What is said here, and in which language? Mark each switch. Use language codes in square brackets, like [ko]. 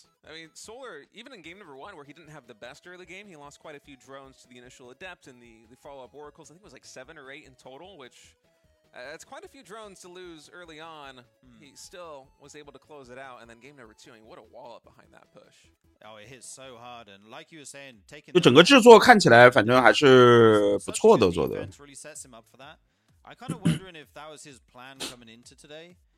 [en] I mean, Solar, even in game number one, where he didn't have the best early game, he lost quite a few drones to the initial adept and the follow-up oracles. I think it was like 7 or 8 in total, which that's quite a few drones to lose early on. He still was able to close it out. And then game number two, I mean, what a wallop behind that push. Oh, it hit so hard. And like you were saying, taking [zh] the... 就整个制作看起来反正还是不错的做的。 [en] It really sets him up for that. I'm kind of wondering if that was his plan coming into today.